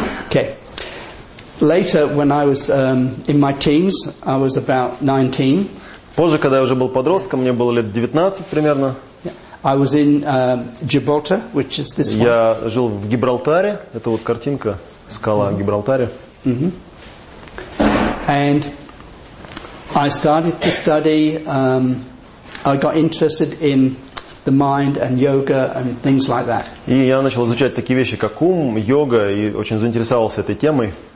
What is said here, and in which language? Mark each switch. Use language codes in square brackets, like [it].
[en] Okay. Later, when I was in my teens, I was about 19. [ru] Позже, когда я уже был подростком, мне было лет 19 примерно. [en] I was in Gibraltar, which is this one. [ru] Я жил в Гибралтаре. Это вот картинка, скала Гибралтаре. Mm-hmm. [en] And I started to study, I got interested in the mind and yoga and things like that. [ru] И я начал изучать такие вещи, как ум, йога, и очень заинтересовался этой темой.